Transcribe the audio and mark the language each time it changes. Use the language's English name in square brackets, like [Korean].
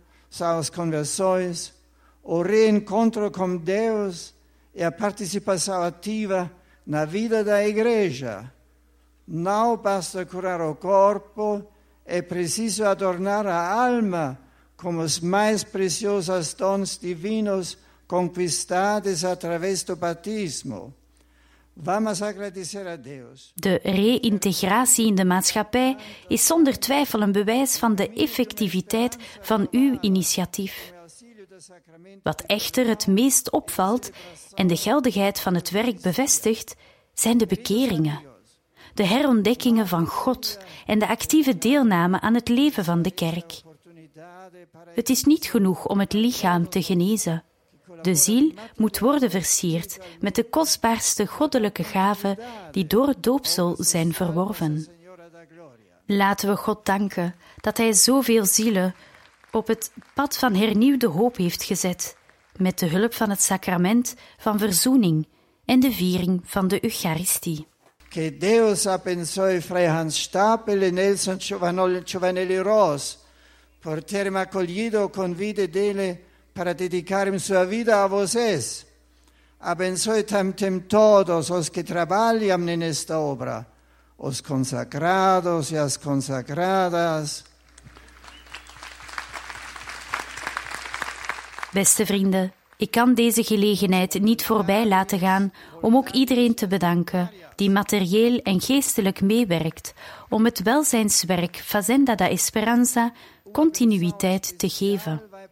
[Portuguese] Suas conversões, o reencontro com Deus e a participação ativa na vida da Igreja. Não basta curar o corpo, é preciso adornar a alma com os mais preciosos dons divinos conquistados através do batismo. Vamos agradecer a Deus. [Dutch] De reïntegratie in de maatschappij is zonder twijfel een bewijs van de effectiviteit van uw initiatief. Wat echter het meest opvalt en de geldigheid van het werk bevestigt, zijn de bekeringen, de herontdekkingen van God en de actieve deelname aan het leven van de kerk. Het is niet genoeg om het lichaam te genezen. De ziel moet worden versierd met de kostbaarste goddelijke gaven die door het doopsel zijn verworven. Laten we God danken dat Hij zoveel zielen op het pad van hernieuwde hoop heeft gezet met de hulp van het sacrament van verzoening en de viering van de Eucharistie. [Portuguese] Que Deus abençoe Frei Hans Stapel e Nelson Giovanelli Ros por terem acolhido o convite dele para dedicar sua vida a vocês. Abençoe também todos os que trabalham nesta obra, os consagrados e as consagradas. [Dutch] Beste vrienden, ik kan deze gelegenheid niet voorbij laten gaan om ook iedereen te bedanken die materieel en geestelijk meewerkt om het welzijnswerk Fazenda da Esperanza continuïteit te geven.